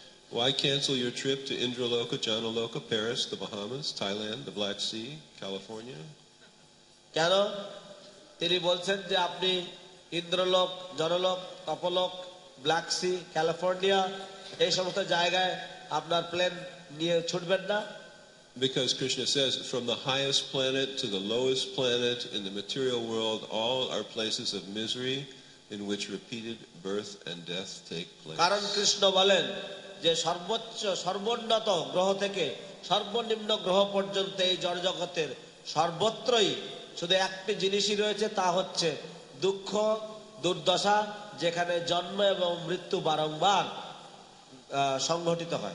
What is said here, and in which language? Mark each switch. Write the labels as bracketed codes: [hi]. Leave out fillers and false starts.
[en] why cancel your trip to Indraloka, Janaloka, Paris, the Bahamas, Thailand, the Black Sea, California [bn] কেন তিনি বলছেন যে আপনি ইন্দ্রলোক জনলোক তপলোক ব্ল্যাক সি ক্যালিফোর্নিয়া এই সমস্ত জায়গায় আপনার প্লেন নিয়ে ছুটবেন না [en] Because Krishna says from the highest planet to the lowest planet in the material world all are places of misery in which repeated birth and death take place [bn] কারণ কৃষ্ণ বলেন যে সর্বোচ্চ সর্বোন্নত গ্রহ থেকে সর্বনিম্ন গ্রহ পর্যন্ত এই জড়জগতের সর্বত্রই শুধু একটি জিনিসই রয়েছে তা হচ্ছে দুঃখ দুর্দশা যেখানে জন্ম এবং মৃত্যু বারংবার সংঘটিত